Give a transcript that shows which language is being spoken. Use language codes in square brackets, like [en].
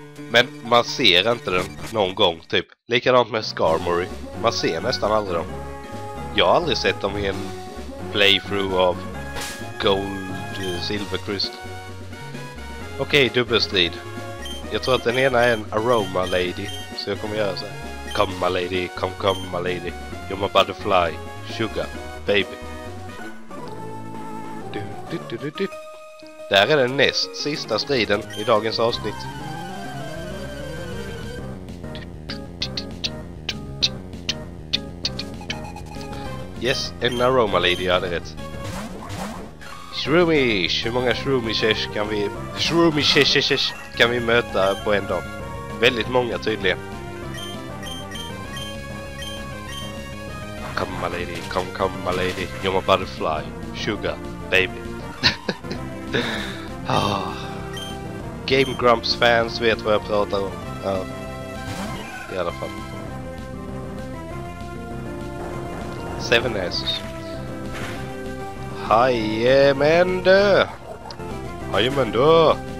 [sv] Men man ser inte den någon gång, typ. Likadant med Skarmory. Man ser nästan aldrig dem. Jag har aldrig sett dem i en playthrough av Gold Silvercrest. Okej, dubbelstrid. Jag tror att den ena är en Aroma Lady. Så jag kommer göra så här. [en] Come my lady, come come my lady. You're my butterfly, sugar, baby. [sv] Du. Där är den näst sista striden i dagens avsnitt. Yes, en Aroma Lady, jag hade rätt. Shroomish! Hur många Shroomishes kan vi... Shroomishes kan vi möta på en dag? Väldigt många, tydligen. [en] Come my lady, come come my lady. You're my butterfly, sugar, baby. [sv] Game Grumps fans vet vad jag pratar om. I alla fall. Seven S. Hajemendö! Hajemendö!